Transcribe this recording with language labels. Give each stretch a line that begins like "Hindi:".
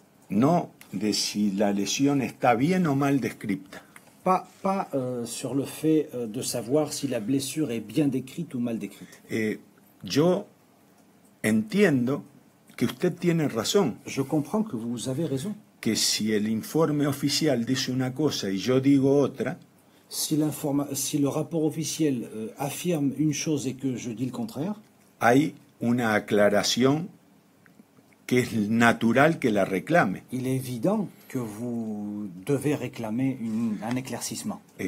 Spanish: No de si la lesión está bien o mal descrita.
French: Pas sur le fait de savoir si la blessure est bien décrite ou mal décrite.
Spanish: Yo entiendo que usted tiene razón.
French: Je comprends que vous avez raison.
Spanish: Que si el informe oficial dice una cosa y yo digo otra.
French: Si le rapport officiel affirme une chose et que je dis le contraire.
Spanish: Hay una aclaración que es natural que la reclame.
French: Il est évident que vous devez réclamer un éclaircissement.